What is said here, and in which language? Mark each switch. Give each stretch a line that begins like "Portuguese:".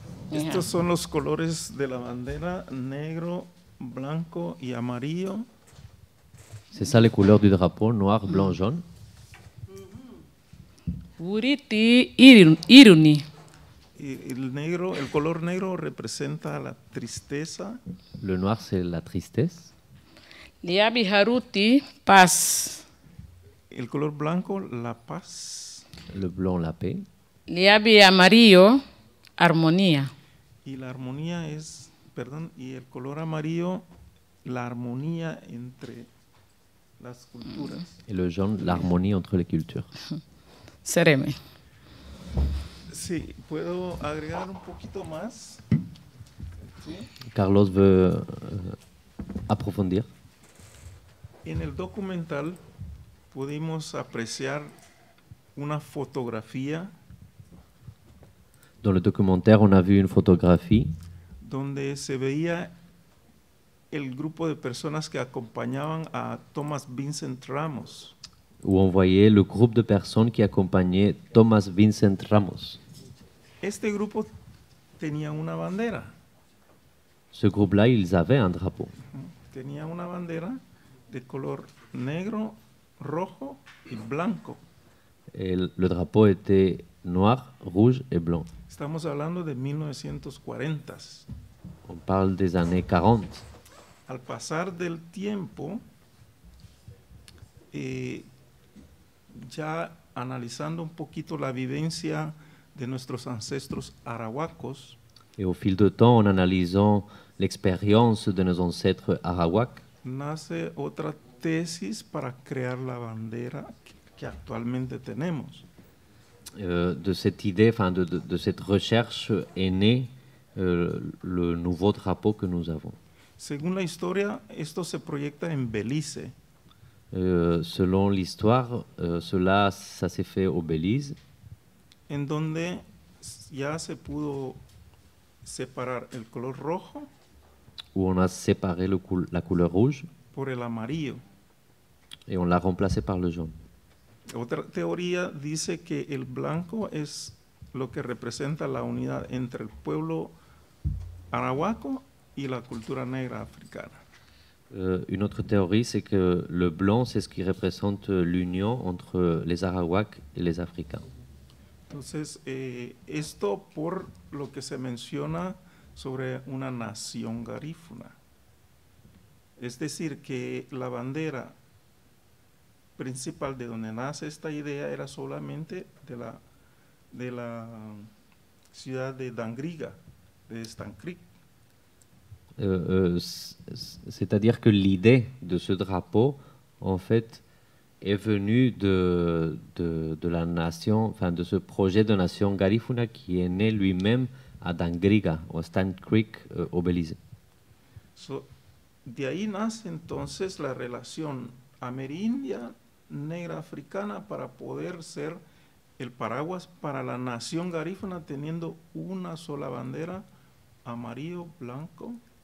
Spanish: Estos son los colores de la bandera, negro, blanco y amarillo.
French: C'est ça les couleurs du drapeau, noir, blanc, jaune.
Garifuna: Uriti iruni.
Spanish: El color negro representa la tristeza.
French: Le noir, c'est la tristesse.
Garifuna: Liabi haruti, paz.
Spanish: El color blanco, la paz.
French: Le blanc, la paix.
Spanish: Liabi amarillo, armonía. Y la armonía es, perdón, y el color amarillo, la armonía entre las culturas.
French: Y le jaune, l'harmonie entre les cultures.
Garifuna: Sereme.
Spanish: Sí, puedo agregar un poquito más.
French: ¿Sí? Carlos veut aprofundir.
Spanish: En el documental pudimos apreciar una fotografía.
French: Dans le documentaire, on a vu une photographie.
Spanish: Donde se veía el grupo de personas que acompañaban a Thomas Vincent Ramos.
French: Où on voyait le groupe de personnes qui accompagnait Thomas Vincent Ramos.
Spanish: Este grupo tenía una bandera.
French: Ce groupe-là, ils avaient un drapeau.
Spanish: Tenía una bandera de color negro, rojo y blanco.
French: Le drapeau était noir, rouge et blanc.
Spanish: Estamos hablando de 1940.
French: On parle des années 40.
Spanish: Al pasar del tiempo, ya analizando un poquito la vivencia de nuestros ancestros arawakos.
French: Et au fil de temps, en analysant l'expérience de nos ancêtres arawak,
Spanish: nace otra tesis para crear la bandera que actualmente tenemos.
French: De cette idée, enfin de cette recherche est né le nouveau drapeau que nous avons.
Spanish: Según la historia, esto se proyecta en Belice.
French: Selon l'histoire, ça s'est fait au Belize.
Spanish: En donde ya se pudo separar el color rojo.
French: Où on a séparé la couleur rouge.
Spanish: Por el amarillo.
French: Et on l'a remplacé par le jaune.
Spanish: Otra teoría dice que el blanco es lo que representa la unidad entre el pueblo arawako y la cultura negra africana.
French: Une autre théorie, c'est que le blanc, c'est ce qui représente l'union entre les Arawaks et les Africains.
Spanish: Entonces, esto por lo que se menciona sobre una nación garífuna. Es decir, que la bandera principal de donde nace esta idea era solamente de la ciudad de Dangriga, de Stancric.
French: C'est-à-dire que l'idée de ce drapeau, en fait, est venue de la nation, enfin, de ce projet de nation Garifuna qui est né lui-même à Dangriga, au Stancric, au Belize.
Spanish: So, de ahí nace entonces la relación amerindia negra africana para poder ser el paraguas para la nación Garifuna teniendo una sola bandera amarillo, blanco.